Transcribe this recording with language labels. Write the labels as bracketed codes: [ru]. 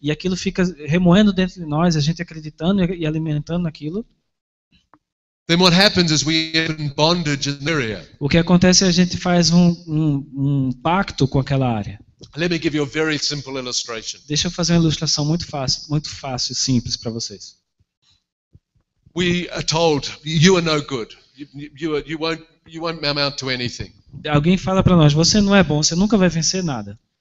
[pt] E aquilo fica remoendo dentro de nós, a gente acreditando e alimentando aquilo. [en] Then what happens is we end in bondage in the area. [pt] O que acontece é a gente faz um pacto com aquela área. [en] Let me give you a very simple illustration. [pt] Deixa eu fazer uma ilustração muito fácil e simples para vocês. [en] We are told you are no good. You won't amount to anything. [pt] Alguém fala para nós, você não é bom, você nunca vai vencer nada.